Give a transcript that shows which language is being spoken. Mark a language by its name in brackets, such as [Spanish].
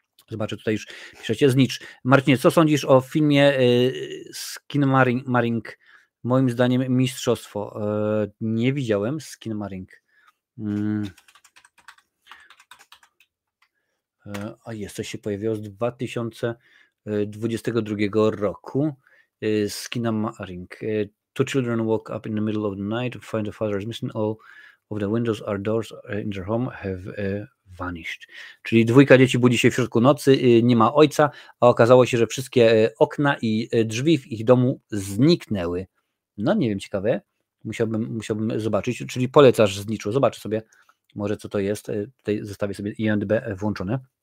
[Polish] Zobaczę, tutaj już piszecie Znicz. Marcinie, co sądzisz o filmie Skinamarink? Moim zdaniem mistrzostwo. Nie widziałem Skinamarink. A jest, coś się pojawiło z 2022 roku. Skinamarink. [English] Two children woke up in the middle of the night, find the father is missing, all of the windows or doors in their home have vanished. [Polish] Czyli dwójka dzieci budzi się w środku nocy, nie ma ojca, a okazało się, że wszystkie okna i drzwi w ich domu zniknęły. No nie wiem, ciekawe, musiałbym zobaczyć, czyli polecasz Zniczu, zobaczę sobie, może co to jest, tutaj zostawię sobie IMDb włączone.